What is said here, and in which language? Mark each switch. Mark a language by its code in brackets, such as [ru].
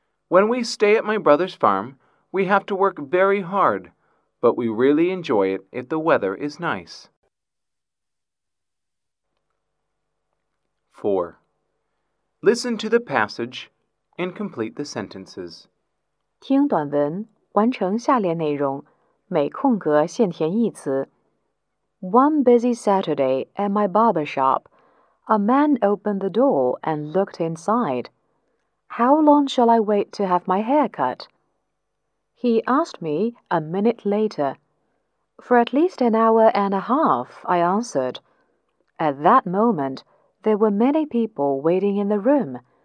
[en] When we stay at my brother's farm, we have to work very hard, but we really enjoy it if the weather is nice. 4. Listen to the passage and complete the sentences. [zh] 听短文，完成下列内容，每空格现填一词。 [en] One busy Saturday at my barber shop, a man opened the door and looked inside. How long shall I wait to have my hair cut? He asked me a minute later. For at least an hour and a half, I answered. At that moment, there were many people waiting in the room.